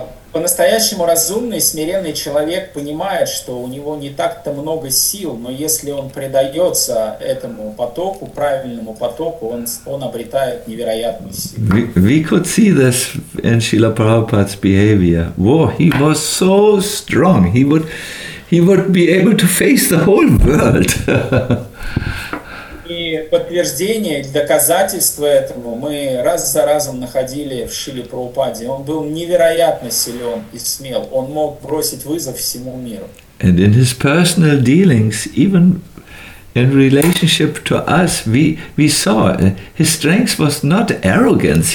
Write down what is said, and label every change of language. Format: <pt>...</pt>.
<ru>По-настоящему разумный, смиренный человек понимает, что у него не так-то много сил, но если он предается этому потоку, правильному потоку, он обретает невероятную силу.</ru> <en>We could see this in Srila Prabhupada's behavior. Whoa, he was so strong. He would be able to face the whole world.</en> <ru>И подтверждение, доказательство этому мы раз за разом находили в Шиле Прабхупаде. Он был невероятно силен и смел. Он мог бросить вызов всему миру.</ru> <en>And in his personal dealings, even in relationship to us, we saw his strength was not arrogance.</en>